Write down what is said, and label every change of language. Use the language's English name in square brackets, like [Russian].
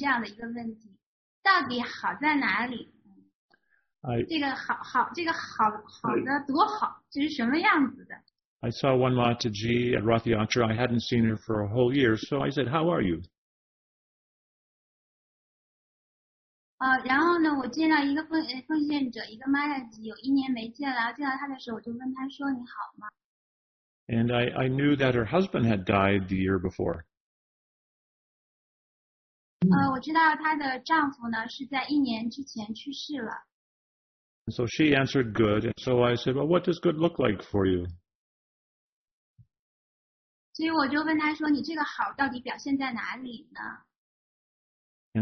[Chinese] 每一次我问问愿者说你好吗?问愿者说我很好的时候,我经常会问这样的一个问题,到底好在哪里?这个好,这个好的多好,这是什么样子的? [English] I saw one Mataji at Rathyatra, I hadn't seen her for a whole year, so I said, how are you? [Chinese] 然后呢,我见到一个奉献者,一个Mataji,有一年没见了,见到他的时候,我就问他说你好吗? [English] And I knew that her husband had died the year before. [Chinese] 我知道她的丈夫呢,是在一年之前去世了。 [English] So she answered good, and so I said, well, what does good look like for you? [Chinese] 所以我就问她说,你这个好到底表现在哪里呢?